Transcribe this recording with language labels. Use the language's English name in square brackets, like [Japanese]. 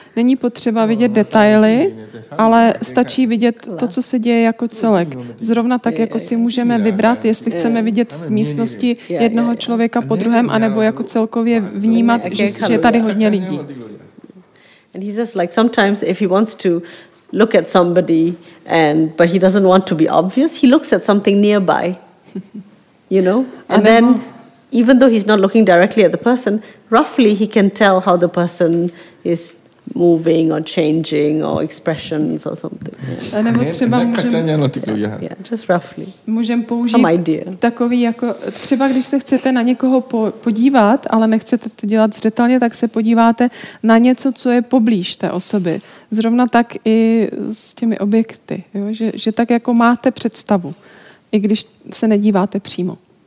[Czech] Není potřeba vidět detaily, ale stačí vidět to, co se děje jako celek. Zrovna tak, jako si můžeme vybrat, jestli chceme vidět v místnosti jednoho člověka po druhém, anebo jako celkově vnímat, že je tady hodně lidí. [English] And he says, like, sometimes if he wants to look at somebody but he doesn't want to be obvious, he looks at something nearby, you know? And then, even though he's not looking directly at the person, roughly he can tell how the person is moving or changing or expressions or something. [Czech] A nebo třeba můžeme... [English] Yeah, just roughly. [Czech] Můžeme použít takový jako... Třeba když se chcete na někoho podívat, ale nechcete to dělat zřetelně, tak se podíváte na něco, co je poblíž té osoby. Zrovna tak i s těmi objekty. Jo? Že tak jako máte představu, i když se nedíváte přímo.